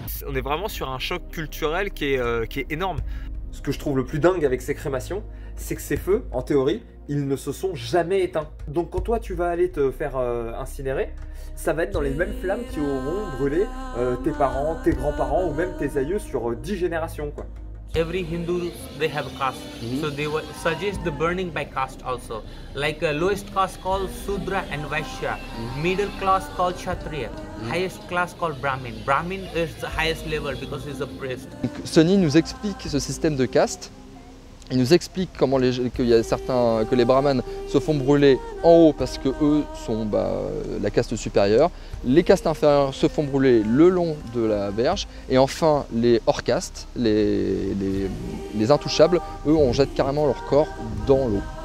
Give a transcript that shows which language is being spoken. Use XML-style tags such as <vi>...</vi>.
<fr>On est vraiment sur un choc culturel qui est énorme. Ce que je trouve le plus dingue avec ces crémations, c'est que ces feux, en théorie, ils ne se sont jamais éteints. Donc quand toi tu vas aller te faire incinérer, ça va être dans les mêmes flammes qui auront brûlé tes parents, tes grands-parents ou même tes aïeux sur 10 générations, quoi.</fr> <en>Every Hindu, they have caste, so they suggest the burning by caste also. Like lowest caste called Sudra and Vaishya, middle class called Kshatriya, highest class called Brahmin. Brahmin is the highest level because he's a priest.</en> <fr>Donc, Sonny nous explique ce système de caste. Il nous explique comment que les brahmanes se font brûler en haut parce que eux sont la caste supérieure. Les castes inférieures se font brûler le long de la verge. Et enfin, les hors-castes, les intouchables, eux, on jette carrément leur corps dans l'eau.</fr>